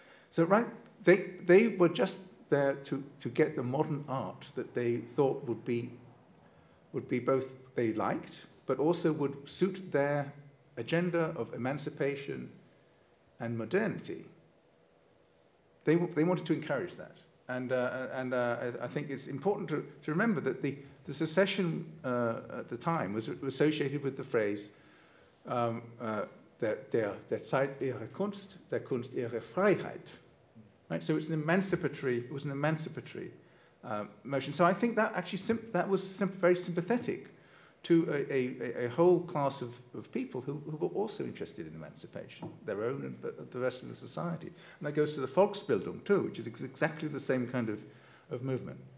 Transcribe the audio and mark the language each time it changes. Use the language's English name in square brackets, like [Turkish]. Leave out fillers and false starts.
[English] So right, they were just there to get the modern art that they thought would be both they liked, but also would suit their agenda of emancipation and modernity. They wanted to encourage that, and I think it's important to remember that the secession at the time was associated with the phrase. [German] Der Zeit ihre Kunst, der Kunst ihre Freiheit. [English] Right, so it was an emancipatory motion. So I think that actually was very sympathetic to a whole class of people who were also interested in emancipation, their own and the rest of the society. And that goes to the Volksbildung too, which is exactly the same kind of movement.